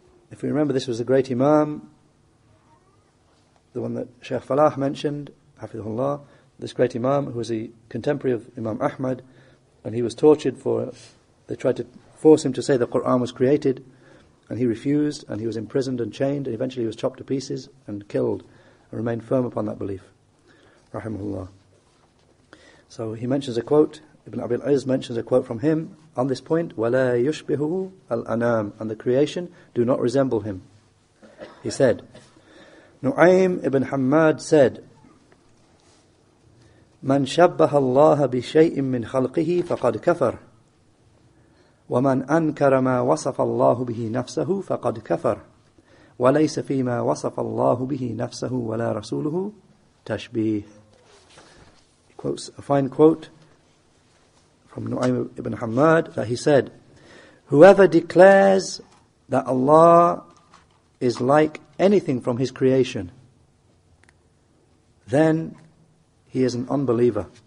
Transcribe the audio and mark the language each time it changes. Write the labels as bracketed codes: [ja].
[en] If we remember, this was the great Imam, the one that Sheikh Falah mentioned, Hafidhullah, this great Imam who was a contemporary of Imam Ahmad, and he was tortured for, they tried to force him to say the Quran was created, and he refused, and he was imprisoned and chained, and eventually he was chopped to pieces and killed, and remained firm upon that belief, Rahimahullah. So he mentions a quote, Ibn Abi al-Izz mentions a quote from him on this point, [ar] وَلَا يُشْبِهُ الْأَنَامِ, [en] and the creation do not resemble him. He said, Nu'aym ibn Hammad said, [ar] مَنْ شَبَّهَ اللَّهَ بِشَيْءٍ مِّنْ خَلْقِهِ فَقَدْ كَفَرْ وَمَنْ أَنْكَرَ مَا وَصَفَ اللَّهُ بِهِ نَفْسَهُ فَقَدْ كَفَرْ وَلَيْسَ فِي مَا وَصَفَ اللَّهُ بِهِ نَفْسَهُ وَلَا رَسُولُهُ تَشْبِيهُ. [en] He quotes a fine quote from Nu'aym ibn Hammad that he said, whoever declares that Allah is like anything from his creation, then he is an unbeliever.